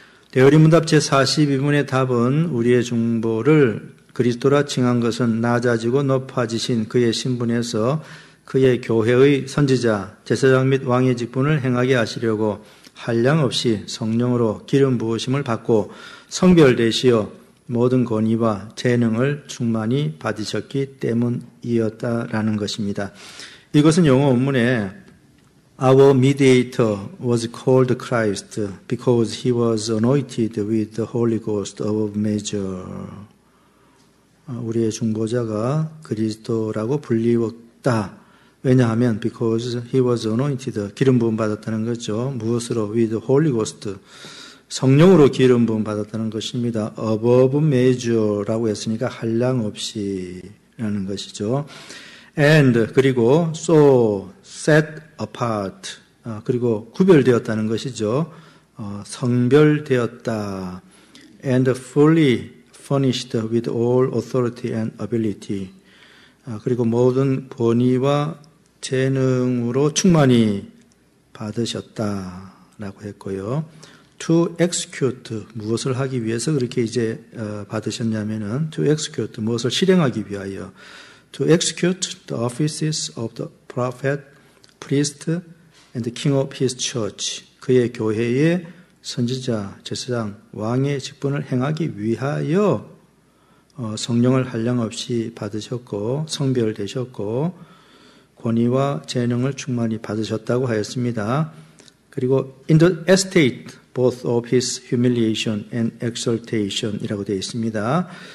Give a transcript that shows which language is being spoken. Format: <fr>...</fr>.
<ko>대요리문답 제42문의 답은 우리의 중보를 그리스도라 칭한 것은 낮아지고 높아지신 그의 신분에서 그의 교회의 선지자, 제사장 및 왕의 직분을 행하게 하시려고 한량 없이 성령으로 기름 부으심을 받고 성별되시어 모든 권위와 재능을 충만히 받으셨기 때문이었다라는 것입니다. 이것은 영어 원문에</ko> <en>Our mediator was called Christ because he was anointed with the Holy Ghost above measure.</en> <ko>우리의 중보자가 그리스도라고 불리웠다. 왜냐하면</ko> <en>because he was anointed,</en> <ko>기름 부음 받았다는 거죠. 무엇으로?</ko> <en>With the Holy Ghost,</en> <ko>성령으로 기름 부음 받았다는 것입니다.</ko> <en>Above measure</en> <ko>라고 했으니까 한량 없이라는 것이죠. And, 그리고</ko> <en>so, set apart,</en> <ko>그리고 구별되었다는 것이죠. 성별되었다.</ko> <en>And fully furnished with all authority and ability.</en> <ko>그리고 모든 권위와 재능으로 충만히 받으셨다. 라고 했고요.</ko> <en>To execute,</en> <ko>무엇을 하기 위해서 그렇게 이제 받으셨냐면은, to execute, 무엇을 실행하기 위하여.</ko> <en>To execute the offices of the prophet, priest, and the king of his church.</en> <ko>그의 교회의 선지자, 제사장, 왕의 직분을 행하기 위하여 성령을 한량 없이 받으셨고 성별되셨고 권위와 재능을 충만히 받으셨다고 하였습니다.</ko> <en>그리고 in the estate both of his humiliation and exaltation이라고 되어 있습니다.</en>